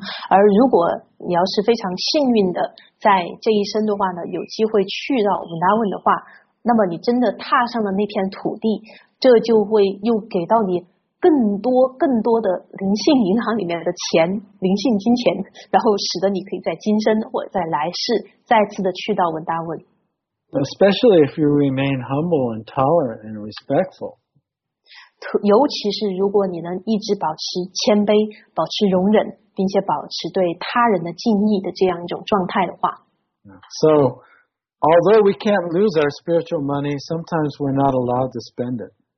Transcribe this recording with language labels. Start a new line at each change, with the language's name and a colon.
Chinese: 而如果你要是非常幸运的在这一生的话呢，有机会去到 Vrindavan 的话，那么你真的踏上了那片土地，这就会又给到你更多更多的灵性银行里面的钱，灵性金钱，然后使得你可以在今生或者在来世再次的去到文达文。
English: Especially if you remain humble and tolerant and respectful.
Chinese: 尤其是如果你能一直保持谦卑，保持容忍，并且保持对他人的敬意的这样一种状态的话。
English: So, although we can't lose our spiritual money, sometimes we're not allowed to spend it.